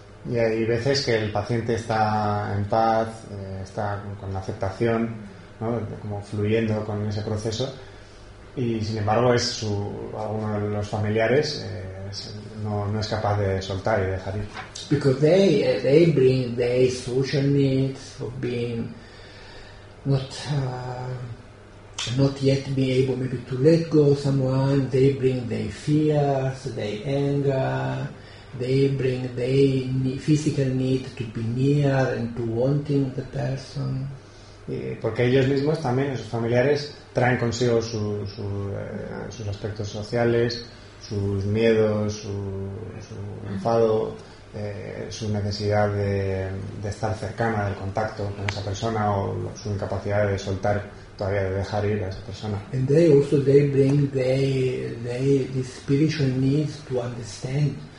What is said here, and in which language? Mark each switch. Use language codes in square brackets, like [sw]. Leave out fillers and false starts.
[es] Y hay veces que el paciente está en paz, está con la aceptación, ¿no? Como fluyendo con ese proceso, y sin embargo es su alguno de los familiares no es capaz de soltar y dejar ir. [en] Because they bring their social needs of being not yet be able maybe to let go someone, they bring their fears, their anger. They bring their physical need to be near and to wanting the person. [es] Porque ellos mismos también, sus familiares, traen consigo sus aspectos sociales, sus miedos, su enfado, su necesidad de estar cercana, del contacto con esa persona, o su incapacidad de soltar, todavía de dejar ir a esa persona. [en] And they also they bring their spiritual needs to understand.